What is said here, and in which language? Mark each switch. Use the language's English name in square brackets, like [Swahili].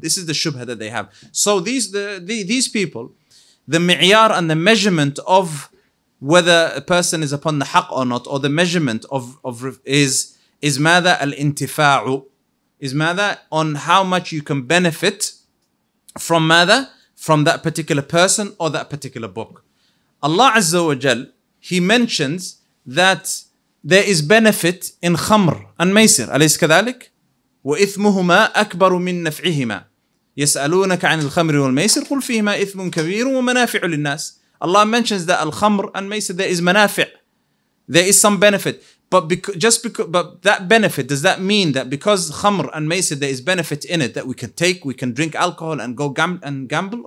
[English] This is the shubha that they have. So these people, the mi'yar and the measurement of whether a person is upon the haqq or not, or the measurement of is [Arabic] ماذا الانتفاعُ, [English] is ماذا on how much you can benefit from ماذا, from that particular person or that particular book. Allah Azza wa Jal, he mentions that there is benefit in khamr and maysir, [Arabic] أليس كذلك؟ وإثمهما أكبر من نفعهما. يسألونك عن الخمر والميسر قل فيهما إثم كبير ومنافع للناس. [English] Allah mentions that الخمر and maysir, there is منافع, there is some benefit. But that benefit, does that mean that because khamr and maysir, there is benefit in it, that we can take, we can drink alcohol and go gamble?